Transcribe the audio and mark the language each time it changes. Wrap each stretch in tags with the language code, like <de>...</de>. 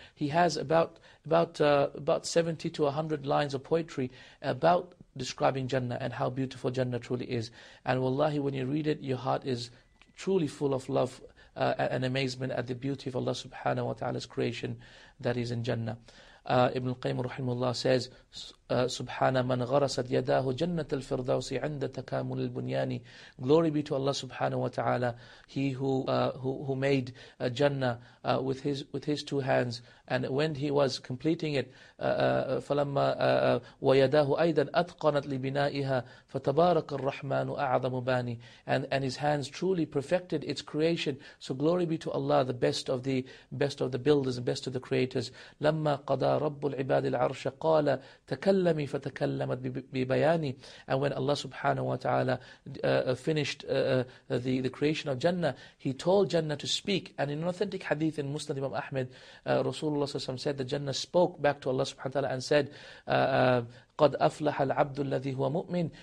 <en>He has about 70 to 100 lines of poetry about describing Jannah and how beautiful Jannah truly is. And wallahi, when you read it, your heart is truly full of love and amazement at the beauty of Allah subhanahu wa ta'ala's creation that is in Jannah. Ibn al-Qayyim rahimahullah says,</en> <ar>سبحان من غرست يداه جنة الفردوس عند تكامل البنيان.</ar> <en>Glory be to Allah subhanahu wa ta'ala, he who made Jannah with his two hands, and when he was completing it,</en> <ar>فلما ويداه أيضا أتقنت لبنائها فتبارك الرحمن أعظم باني.</ar> <en>And his hands truly perfected its creation. So glory be to Allah, the best of the builders and best of the creators.</en> <ar>لما قضى رب العباد العرش قال تكلمي فتكلمت ببياني.</ar> <en>And when Allah subhanahu wa ta'ala finished the creation of Jannah, he told Jannah to speak. And in an authentic hadith in Musnad Imam Ahmed, Rasulullah sallallahu alaihi wasallam said that Jannah spoke back to Allah subhanahu wa ta'ala and said,</en> <ar>قَدْ أَفْلَحَ الْعَبْدُ الَّذِي هُوَ مُؤْمِنٌ.</ar>